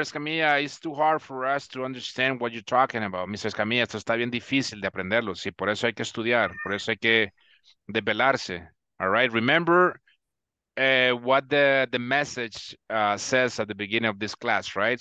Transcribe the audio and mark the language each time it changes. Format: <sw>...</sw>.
<en>Escamilla, it's too hard for us to understand what you're talking about. Mr.</en> <es>Escamilla, esto está bien difícil de aprenderlo, sí, por eso hay que estudiar, por eso hay que desvelarse.</es> <en>All right, remember what the message says at the beginning of this class, right?</en>